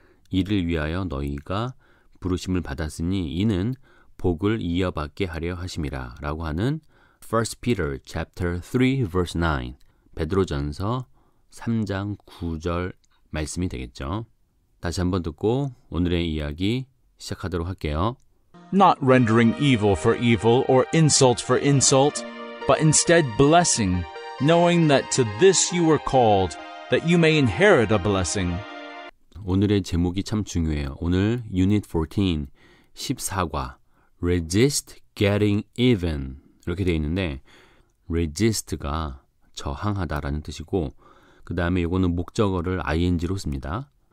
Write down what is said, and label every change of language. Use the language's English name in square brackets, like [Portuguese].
[Korean] 이를 위하여 너희가 부르심을 받았으니 이는 복을 이어받게 하려 하심이라 라고 하는 [English] 1 Peter chapter 3 verse 9, [Korean] 베드로전서 3장 9절 말씀이 되겠죠. 다시 한번 듣고 오늘의 이야기 시작하도록 할게요. [English] Not rendering evil for evil or insult for insult, but instead blessing, knowing that to this you were called, that you may inherit a blessing. [Korean] 오늘의 제목이 참 중요해요. 오늘 Unit 14, 14과 Resist getting even 이렇게 되어 있는데 Resist가 저항하다라는 뜻이고 그 다음에 이거는 목적어를 ing로 씁니다.